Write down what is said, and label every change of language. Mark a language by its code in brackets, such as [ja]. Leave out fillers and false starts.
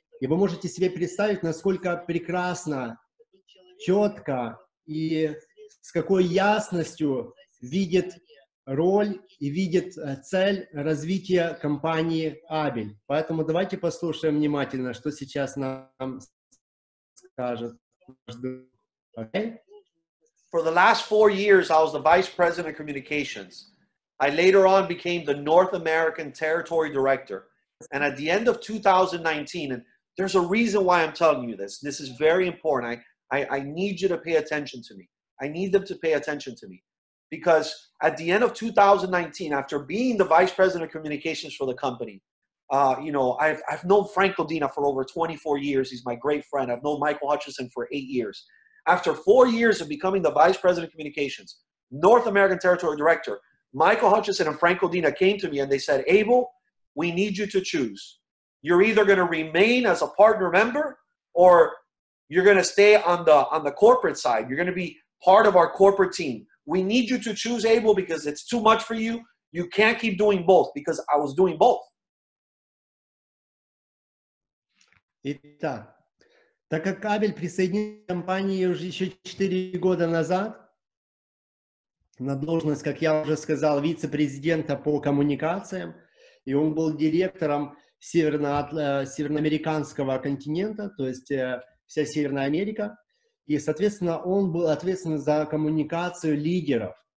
[ru] И вы можете себе представить, насколько прекрасно, четко и с какой ясностью видит роль и видит цель развития компании Абель. Поэтому давайте послушаем внимательно, что сейчас нам скажет. [en] Okay? For the last 4 years, I was the vice president of communications. I later on became the North American territory director. And at the end of 2019, and there's a reason why I'm telling you this. This is very important. I need you to pay attention to me. I need them to pay attention to me. Because at the end of 2019, after being the vice president of communications for the company, You know, I've known Frank Codina for over 24 years. He's my great friend. I've known Mike Hutchinson for 8 years. After 4 years of becoming the Vice President of Communications, North American Territory Director, Michael Hutchinson and Frank Codina came to me and they said, Abel, we need you to choose. You're either going to remain as a partner member or you're going to stay on the corporate side. You're going to be part of our corporate team. We need you to choose, Abel, because it's too much for you. You can't keep doing both, because I was doing both. [ru] Итак, так как Абель присоединился к компании уже еще 4 года назад на должность, как я уже сказал, вице-президента по коммуникациям, и он был директором североамериканского континента, то есть вся Северная Америка, и, соответственно, он был ответственен за коммуникацию лидеров.